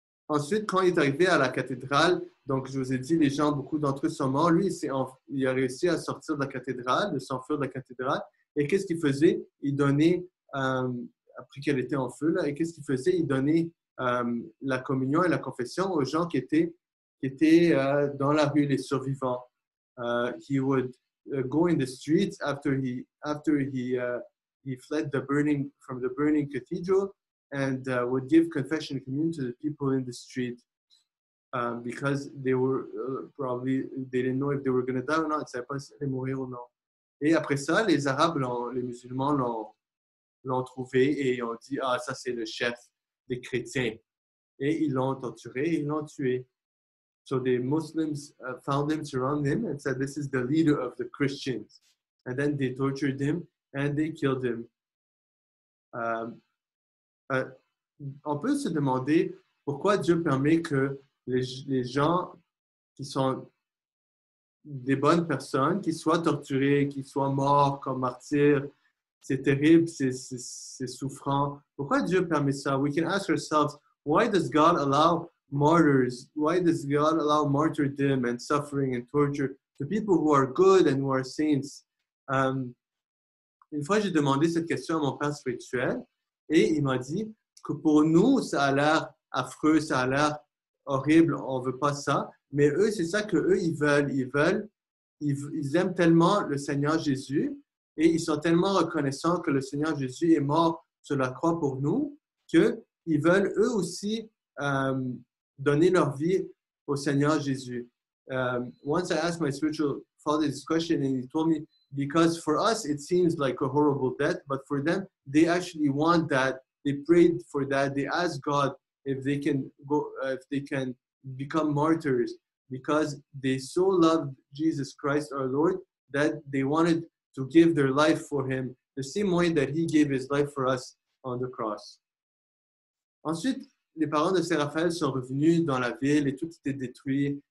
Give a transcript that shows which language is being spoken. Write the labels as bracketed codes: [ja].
[fr] Ensuite, quand il est arrivé à la cathédrale, donc je vous ai dit, les gens, beaucoup d'entre eux sont morts. Lui, il a réussi à sortir de la cathédrale, de s'enfuir de la cathédrale. Et qu'est-ce qu'il faisait? Il donnait, après qu'elle était en feu, là, et qu'est-ce qu'il faisait? Il donnait la communion et la confession aux gens qui étaient dans la rue, les survivants. [en] He would go in the streets after he fled from the burning cathedral. And would give confession and communion to the people in the street because they were probably, they didn't know if they were going to die or not, [fr] ils ne savaient pas si ils allaient mourir ou non. Et après ça, les Arabes, les musulmans l'ont trouvé et ont dit, ah, ça c'est le chef des chrétiens. Et ils l'ont torturé et ils l'ont tué. [en] So the Muslims found him, surrounded him, and said, this is the leader of the Christians. And then they tortured him and they killed him. [fr] On peut se demander pourquoi Dieu permet que les gens qui sont des bonnes personnes, qui soient torturés, qui soient morts comme martyrs, c'est terrible, c'est souffrant. Pourquoi Dieu permet ça? [en] We can ask ourselves, why does God allow martyrs? Why does God allow martyrdom and suffering and torture to people who are good and who are saints? [fr] Une fois, j'ai demandé cette question à mon père spirituel. Et il m'a dit que pour nous, ça a l'air affreux, ça a l'air horrible, on ne veut pas ça. Mais eux, c'est ça qu'eux, ils aiment tellement le Seigneur Jésus et ils sont tellement reconnaissants que le Seigneur Jésus est mort sur la croix pour nous qu'ils veulent eux aussi donner leur vie au Seigneur Jésus. [en] Once I asked my spiritual father this question and he told me, because for us, it seems like a horrible death, but for them, they actually want that. They prayed for that. They asked God if they can go, if they can become martyrs, because they so loved Jesus Christ, our Lord, that they wanted to give their life for him, the same way that he gave his life for us on the cross. [fr] Ensuite, les parents de Saint Raphaël sont revenus dans la ville et tout était détruit.